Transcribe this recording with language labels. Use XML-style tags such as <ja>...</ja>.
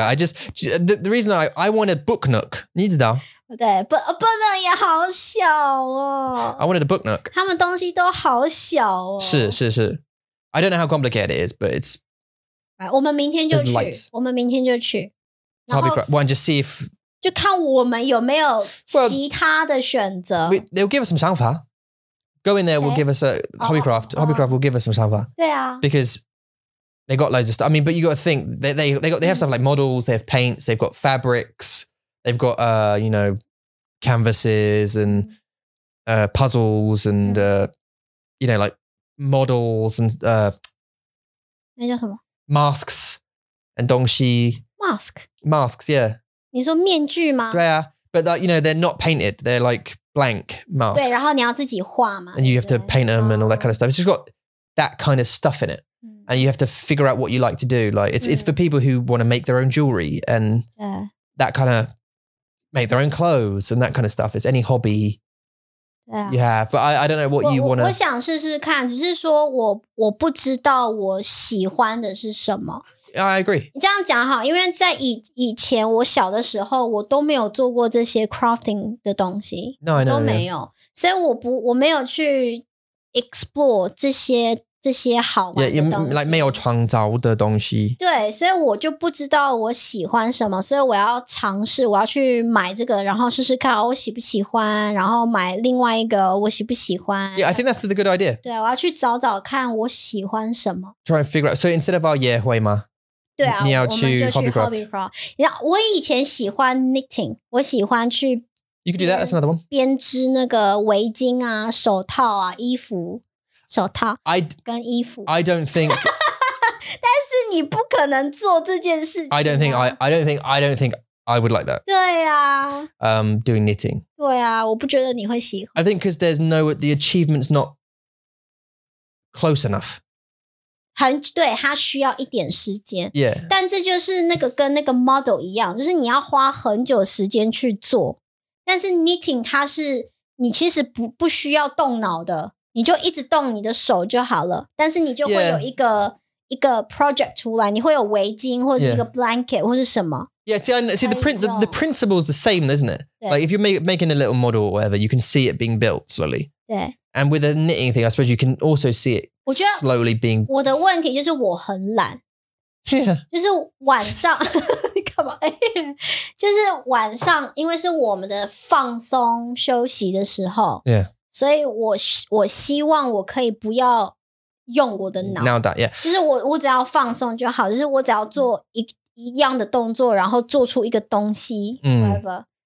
<en>I just the reason I want a book nook.</en> <zh>你知道。对</zh> <en>but a book nook</en> <zh>也好小哦。</zh> <en>I wanted a book nook.</en> <zh>他们东西都好小哦。是是是。</zh> <en>I don't know how complicated it is, but it's...</en> <zh>Right, 我们明天就去。我们明天就去。</zh> <en>Hobbycraft, well, and just see if...</en> <zh>就看我们有没有其他的选择。</zh> <en>Well, they'll give us some 想法。Go in there, we'll give us a... Hobbycraft, Hobbycraft will give us some 想法。</en> <zh>对啊。</zh> <en>Because... They got loads of stuff. I mean, but you got to think, they have stuff like models, they have paints, they've got fabrics, they've got, you know, canvases and puzzles and, you know, like models and...</en> <zh>那叫什么?</zh> <en>Masks and 东西. Mask? Masks, yeah.</en> <zh>你说面具吗? 对啊,</zh> <en>but, you know, they're not painted. They're like blank masks.</en> <zh>对, 然后你要自己画嘛。</zh> <en>And you have to paint them and all that kind of stuff. It's just got that kind of stuff in it. And you have to figure out what you like to do. Like it's for people who want to make their own jewelry and that kind of make their own clothes and that kind of stuff. It's any hobby you have. But I don't know what you want to...</en> <zh>我想试试看,只是说我不知道我喜欢的是什么。</zh> <en>I agree.</en> <zh>这样讲好,因为在以前我小的时候我都没有做过这些 crafting 的东西。</zh> <en>No, I know.</en> <zh>都没有。所以我没有去 explore 这些这些好玩的东西 yeah, like, 没有创造的东西对所以我就不知道我喜欢什么所以我要尝试我要去买这个然后试试看、哦、我喜不喜欢然后买另外一个我喜不喜欢</zh> <en>Yeah, I think that's a good idea</en> <zh>对我要去找找看我喜欢什么</zh> <en>Try and figure out 所、so、以 instead of our</en> <zh>野会吗对啊你要去 Hobbycraft 我以前喜欢 knitting 我喜欢去</zh> <en>You could do that, that's another one</en> <zh>编织那个围巾啊手套啊衣服手套跟衣服</zh> <en>I don't think</en> <zh>但是你不可能做这件事情、啊、</zh> <en>I don't think I would like that</en> <zh>对啊、</zh> <en>doing knitting</en> <zh>对啊我不觉得你会喜欢</zh> <en>I think because there's no the achievement's not close enough</en> <zh>很对它需要一点时间</zh> <en>yeah</en> <zh>但这就是那个跟那个 model 一样就是你要花很久时间去做但是 knitting 它是你其实 不需要动脑的你就一直动你的手就好了但是你就会有一个、yeah. 一个 project 出来你会有围巾或者是一个 blanket、yeah. 或是什么</zh> <en>Yeah, see the principle is the same, isn't it? Like if you're making a little model or whatever, you can see it being built slowly.</en> <zh>对</zh> <en>And with a knitting thing, I suppose you can also see it slowly being</en> <zh>我的问题就是我很懒</zh> <en>Yeah</en> <zh>就是晚上干嘛就是晚上因为是我们的放松休息的时候</zh> <en>Yeah</en> <zh>所以我希望我可以不要用我的脑。</zh> <en>Now that, yeah.</en> <zh>就是我只要放松就好就是我只要做 一样的动作然后做出一个东西、whatever.</zh>